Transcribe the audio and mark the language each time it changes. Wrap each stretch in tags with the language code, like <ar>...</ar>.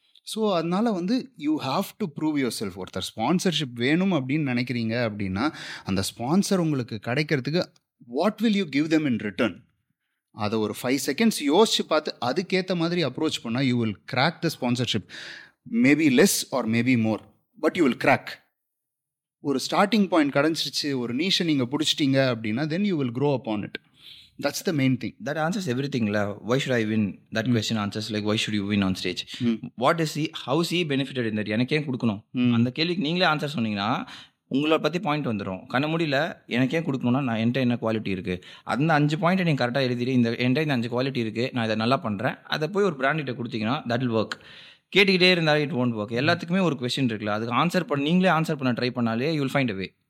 <en>so</en> <ta>அதனால் வந்து</ta> <en>You have to prove yourself.</en> <ta>ஒருத்தர் ஸ்பான்சர்ஷிப் வேணும் அப்படின்னு நினைக்கிறீங்க அப்படின்னா, அந்த ஸ்பான்சர் உங்களுக்கு கிடைக்கிறதுக்கு</ta> <en>what will you give them in return,</en> <ta>அதை ஒரு 5 seconds யோசிச்சு பார்த்து அதுக்கேற்ற மாதிரி அப்ரோச் பண்ணால்</ta> <en>You will crack the sponsorship, maybe less or maybe more. But you will crack.</en> <ta>ஒரு ஸ்டார்டிங் பாயிண்ட் கிடைச்சிருச்சு, ஒரு நீஷை நீங்கள் பிடிச்சிட்டீங்க அப்படின்னா</ta> <en>Then you will grow upon it. That's the main thing. That answers everything. Why should I win? That question answers like, why should you win on stage? What is he, how is he benefited in that?</en> <ta>எனக்கு ஏன் கொடுக்கணும் அந்த கேள்விக்கு நீங்களே answer சொன்னீங்கன்னா உங்களை பற்றி point வந்துடும். கண்ண முடியல எனக்கு ஏன் கொடுக்கணும்னா நான் என்ன குவாலிட்டி இருக்குது, அந்த அஞ்சு பாயிண்ட்டை நீங்கள் கரெக்டாக எழுதிட்டு இந்த என்ட்டை இந்த அஞ்சு குவாலிட்டி இருக்குது நான் இதை நல்லா பண்ணுறேன் அதை போய் ஒரு பிராண்டிட்ட கொடுத்தீங்கன்னா</ta> <en>That will work.</en> <ta>கேட்டுக்கிட்டே இருந்தால்</ta> <en>It won't work.</en> <ta>எல்லாத்துக்குமே ஒரு க்வெஸ்சன் இருக்குல்ல, அதுக்கு ஆன்சர் பண்ண நீங்களே ஆன்சர் பண்ண ட்ரை பண்ணாலே</ta> <en>You will find a way.</en>